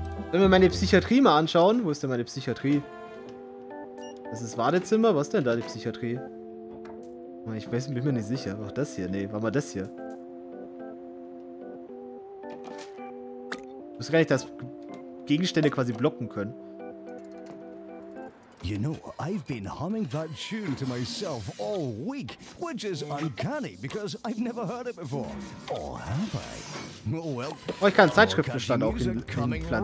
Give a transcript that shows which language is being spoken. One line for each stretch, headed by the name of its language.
German: Wenn wir meine Psychiatrie mal anschauen. Wo ist denn meine Psychiatrie? Das ist Wartezimmer. Was ist denn da die Psychiatrie? Ich weiß, bin mir nicht sicher. Ach, das hier. Nee, war mal das hier. Ich muss gar nicht das Gegenstände quasi blocken können.
English: You know, I've been humming that tune to myself all week, which is uncanny, because I've never heard it before. Or have I?
German: Well, oh, ich kann einen Zeitschriftenstand auch hinpflanzen.